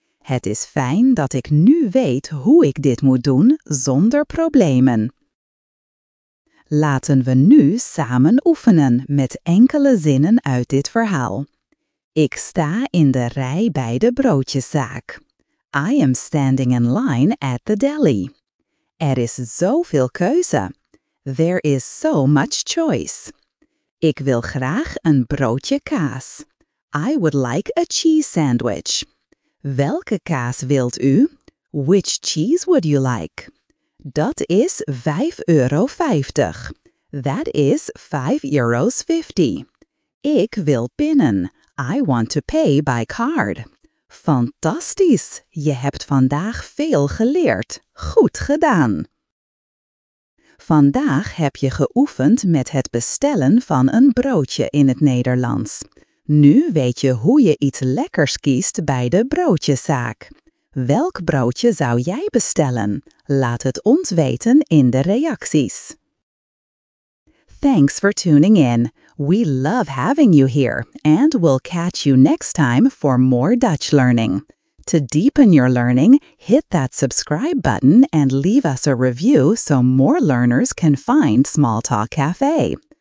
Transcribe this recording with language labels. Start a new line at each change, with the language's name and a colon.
Dutch: Het is fijn dat ik nu weet hoe ik dit moet doen zonder problemen. Laten we nu samen oefenen met enkele zinnen uit dit verhaal. Ik sta in de rij bij de broodjeszaak.
English: I am standing in line at the deli. Er is zoveel keuze. There is so much choice.
Dutch: Ik wil graag een broodje kaas.
English: I would like a cheese sandwich. Welke kaas wilt u? Which cheese would you like? Dat is €5,50. That is €5,50. Ik wil pinnen. I want to pay by card. Fantastisch!
Dutch: Je hebt vandaag veel geleerd. Goed gedaan! Vandaag heb je geoefend met het bestellen van een broodje in het Nederlands. Nu weet je hoe je iets lekkers kiest bij de broodjeszaak. Welk broodje zou jij bestellen? Laat het ons weten in de reacties.
English: Thanks for tuning in. We love having you here, and we'll catch you next time for more Dutch learning. To deepen your learning, hit that subscribe button and leave us a review so more learners can find Small Talk Cafe.